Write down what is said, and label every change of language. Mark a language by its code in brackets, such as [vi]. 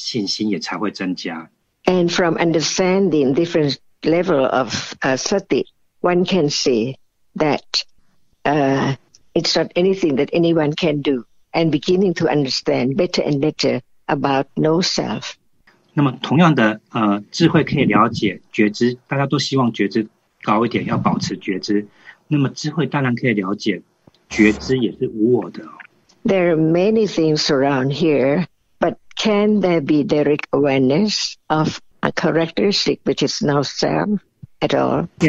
[zh] 其实从一开始就是自己的累积的智慧啊，当然这些智慧的随着智慧的累积，对佛法的教导的信心也才会增加。 [en] And from understanding different level of sati, one can see that it's not anything that anyone can do, and beginning to understand better and better about no self. [zh] 那么同样的，智慧可以了解觉知，大家都希望觉知高一点，要保持觉知。那么智慧当然可以了解，觉知也是无我的。 [en] There are many things around here, but can there be direct awareness of a characteristic which is no self at all?